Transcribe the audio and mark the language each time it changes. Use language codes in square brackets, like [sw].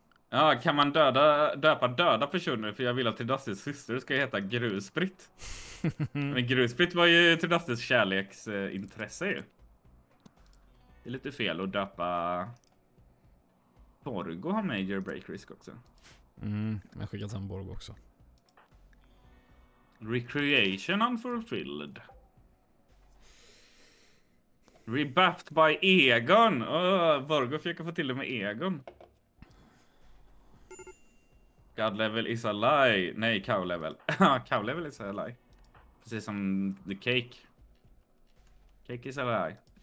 [sv] Ja, kan man döpa döda personer? För jag vill att Tridastis syster ska heta Grusbritt. Men Grusbritt var ju Tridastis kärleksintresse ju. Det är lite fel att döpa... Borgo har [en] major break risk [sv] också. Mm, jag skickade sen Borgo också. [en] Recreation unfulfilled. Rebuffed by Egon. [sv] Borgo försöker få till det med Egon. [en] God level is a lie. [sv] Nej, [en] cow level. Cow level is a lie. [sv] Precis som [en] the cake. Cake is a lie.